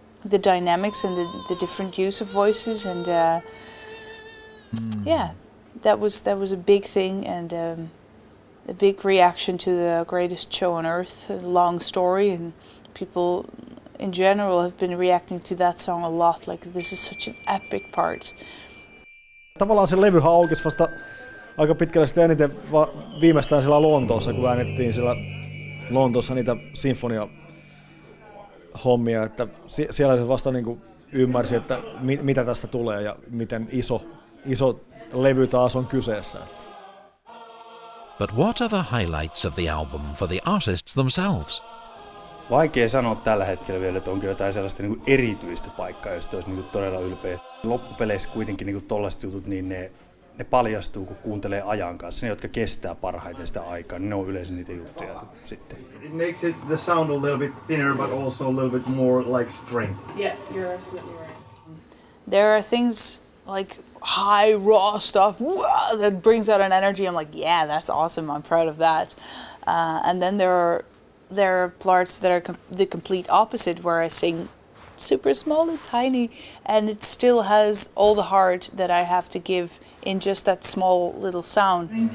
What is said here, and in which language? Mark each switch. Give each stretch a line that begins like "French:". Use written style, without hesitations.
English: the dynamics and the different use of voices and yeah, that was a big thing and a big reaction to the greatest show on earth, a long story, and people in general have been reacting to that song a lot, like this is such an epic part.
Finnish: Tavallaan se levyhän aukesi vasta aika pitkälle sitten eniten viimeistään siellä Lontoossa, kun äänettiin siellä Lontoossa niitä sinfonia hommia, että siellä se vasta niin kuin ymmärsi, että mitä tästä tulee ja miten iso levy taas on kyseessä.
English: But what are the highlights of the album for the artists themselves?
Finnish: Vaikea sanoa tällä hetkellä vielä, että onko jotain sellaista niin kuin erityistä paikkaa, josta olisi niin kuin todella ylpeä. Loppupeleissä kuitenkin niin kuin tollaiset jutut, niin ne paljastuu, kun kuuntelee ajan kanssa. Ne, jotka kestää parhaiten sitä aikaa, niin ne on yleensä niitä juttuja sitten.
English: It makes it the sound a little bit thinner, but also a little bit more like strength. Yeah, you're absolutely right. There are things like high raw stuff that brings out an energy. I'm like, yeah, that's awesome. I'm proud of that. And then there are parts that are the complete opposite, where I sing super small and tiny, and it still has all the heart that I have to give in just that small little sound.